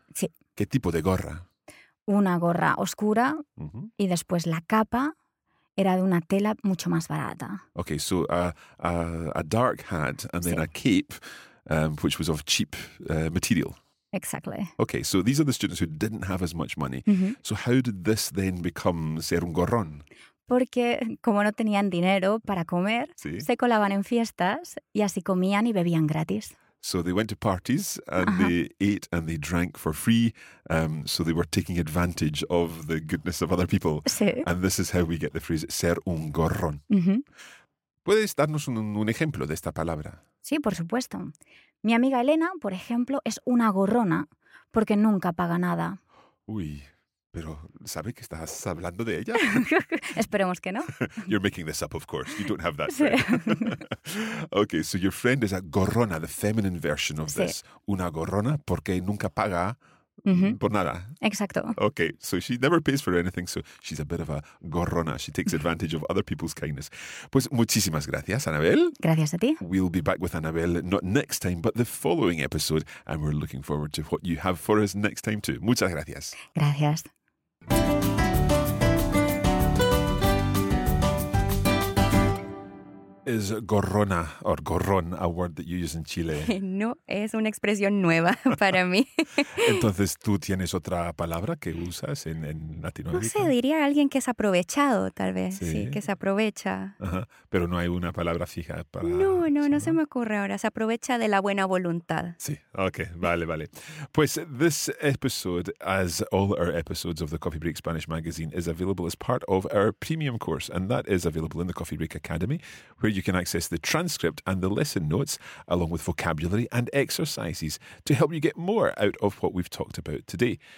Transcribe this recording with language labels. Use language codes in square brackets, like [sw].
[es] Sí. ¿Qué tipo de gorra? Una gorra oscura, mm-hmm. y después la capa era de una tela mucho más barata. [en] Okay, so a dark hat and then sí. a cape. Which was of cheap material. Exactly. Okay, so these are the students who didn't have as much money. Mm-hmm. So how did this then become ser un gorrón? [es] Porque como no tenían dinero para comer, sí. se colaban en fiestas y así comían y bebían gratis. [en] So they went to parties and uh-huh. they ate and they drank for free. So they were taking advantage of the goodness of other people. [es] Sí. [en] And this is how we get the phrase ser un gorrón. Mm-hmm. [es] ¿Puedes darnos un ejemplo de esta palabra? Sí, por supuesto. Mi amiga Elena, por ejemplo, es una gorrona porque nunca paga nada. Uy, pero ¿sabe que estás hablando de ella? Esperemos que no. [en] You're making this up, of course. You don't have that friend. [es] Sí. [en] Okay, so your friend is a gorrona, the feminine version of [es] sí. [en] this. [es] Una gorrona porque nunca paga por nada. Exacto. [en] Okay, so she never pays for anything, so she's a bit of a gorrona. She takes advantage of other people's kindness. [es] Pues muchísimas gracias, Anabel. Gracias a ti. [en] We'll be back with Anabel not next time, but the following episode, and we're looking forward to what you have for us next time too. [es] Muchas gracias. Gracias. [en] Is gorrona or gorrón a word that you use in Chile? [es] No, es una expresión nueva para mí. Entonces, ¿tú tienes otra palabra que usas en Latinoamérica? No sé, diría alguien que es aprovechado, tal vez. Sí, sí que se aprovecha. Ajá. Pero no hay una palabra fija para... No, se me ocurre ahora. Se aprovecha de la buena voluntad. Sí, ok, vale. [en] Pues, this episode, as all our episodes of the Coffee Break Spanish Magazine, is available as part of our premium course, and that is available in the Coffee Break Academy, where you can access the transcript and the lesson notes, along with vocabulary and exercises, to help you get more out of what we've talked about today.